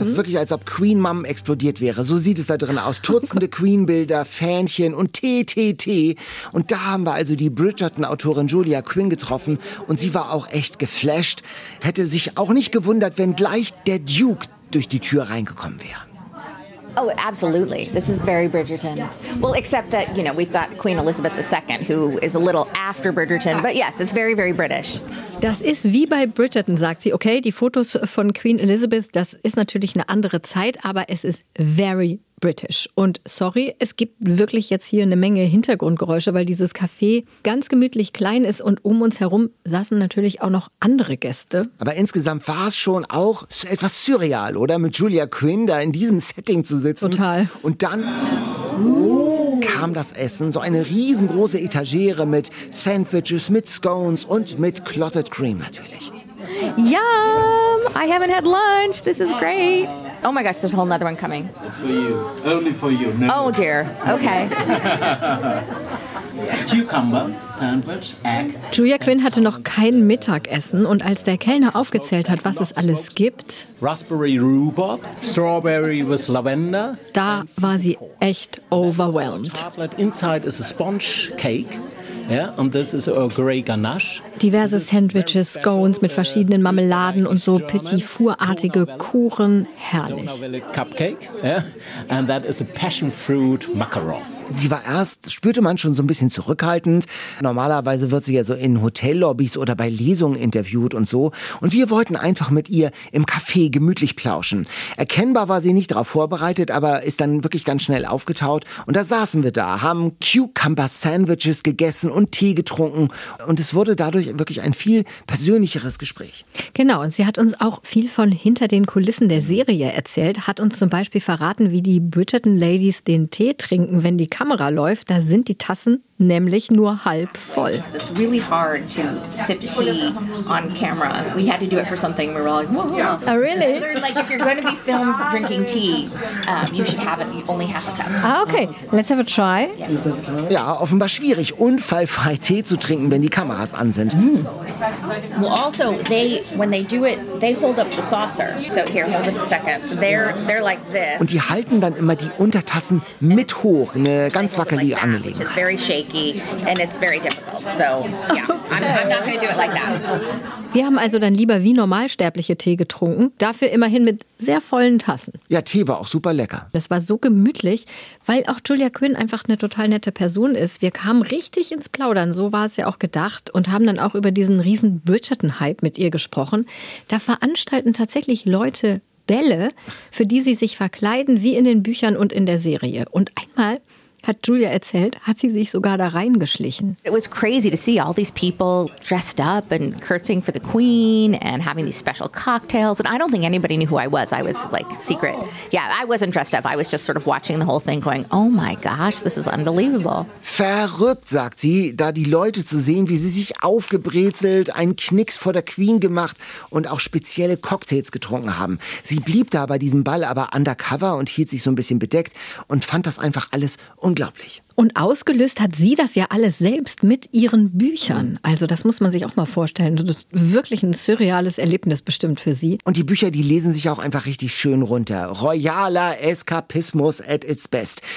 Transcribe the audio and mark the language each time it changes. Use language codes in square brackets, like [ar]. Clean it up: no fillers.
[de] Das ist wirklich, als ob Queen-Mom explodiert wäre. So sieht es da drin aus. Turzende Queen-Bilder, Fähnchen und TTT. Und da haben wir also die Bridgerton-Autorin Julia Quinn getroffen. Und sie war auch echt geflasht. Hätte sich auch nicht gewundert, wenn gleich der Duke durch die Tür reingekommen wäre. [en] Oh, absolutely. This is very Bridgerton. Well, except that, you know, we've got Queen Elizabeth II, who is a little after Bridgerton. But yes, it's very, very British. [de] Das ist wie bei Bridgerton, sagt sie. Okay, die Fotos von Queen Elizabeth, das ist natürlich eine andere Zeit, aber es ist [en] very British. [de] Und sorry, es gibt wirklich jetzt hier eine Menge Hintergrundgeräusche, weil dieses Café ganz gemütlich klein ist und um uns herum saßen natürlich auch noch andere Gäste. Aber insgesamt war es schon auch etwas surreal, oder? Mit Julia Quinn da in diesem Setting zu sitzen. Total. Und dann kam das Essen, so eine riesengroße Etagere mit Sandwiches, mit Scones und mit Clotted Cream natürlich. [en] Yum! I haven't had lunch. This is great. Oh my gosh, there's a whole nother one coming. It's for you. Only for you. No. Oh dear. Okay. Cucumber, sandwich, egg. [de] Julia Quinn hatte noch kein Mittagessen und als der Kellner aufgezählt hat, was es alles gibt, [en] Raspberry rhubarb, strawberry with lavender. [de] Da war sie echt overwhelmed. [en] Inside is a sponge cake. Yeah, and this is a grey ganache. [de] Diverse Sandwiches, Scones mit verschiedenen Marmeladen und so Petit Four-artige Kuchen, herrlich. [en] Cupcake, yeah, and that is a passion fruit macaron. [de] Sie war erst, spürte man schon so ein bisschen zurückhaltend. Normalerweise wird sie ja so in Hotellobbys oder bei Lesungen interviewt und so. Und wir wollten einfach mit ihr im Café gemütlich plauschen. Erkennbar war sie nicht darauf vorbereitet, aber ist dann wirklich ganz schnell aufgetaut. Und da saßen wir da, haben Cucumber-Sandwiches gegessen und Tee getrunken. Und es wurde dadurch wirklich ein viel persönlicheres Gespräch. Genau, und sie hat uns auch viel von hinter den Kulissen der Serie erzählt. Hat uns zum Beispiel verraten, wie die Bridgerton-Ladies den Tee trinken, wenn die Kamera läuft, da sind die Tassen nämlich nur halb voll. [en] It's really hard to sip tea on camera. We had to do it for something. We were all like, whoa. Oh, really? Like, if you're going to be filmed drinking tea, you should have it only half a cup. Ah, okay. Let's have a try. [de] Ja, offenbar schwierig, unfallfrei Tee zu trinken, wenn die Kameras an sind. Mm. [en] Well, also, when they do it, they hold up the saucer. So here, hold this a second. So they're like this. [de] Und die halten dann immer die Untertassen mit hoch, eine ganz wackelige Angelegenheit. [en] And it's very difficult. So, yeah, I'm not going to do it like that. [de] Wir haben also dann lieber wie normalsterbliche Tee getrunken, dafür immerhin mit sehr vollen Tassen. Ja, Tee war auch super lecker. Das war so gemütlich, weil auch Julia Quinn einfach eine total nette Person ist. Wir kamen richtig ins Plaudern, so war es ja auch gedacht, und haben dann auch über diesen riesen Bridgerton-Hype mit ihr gesprochen. Da veranstalten tatsächlich Leute Bälle, für die sie sich verkleiden, wie in den Büchern und in der Serie. Und einmal hat Julia erzählt, hat sie sich sogar da reingeschlichen. [en] It was crazy to see all these people dressed up and curtsying for the queen and having these special cocktails. And I don't think anybody knew who I was. I was like secret. Yeah, I wasn't dressed up. I was just sort of watching the whole thing going, oh my gosh, this is unbelievable. [de] Verrückt, sagt sie, da die Leute zu sehen, wie sie sich aufgebrezelt, einen Knicks vor der Queen gemacht und auch spezielle Cocktails getrunken haben. Sie blieb da bei diesem Ball aber undercover und hielt sich so ein bisschen bedeckt und fand das einfach alles unglaublich. Und ausgelöst hat sie das ja alles selbst mit ihren Büchern. Also das muss man sich auch mal vorstellen. Das ist wirklich ein surreales Erlebnis bestimmt für sie. Und die Bücher, die lesen sich auch einfach richtig schön runter. Royaler Eskapismus [en] at its best.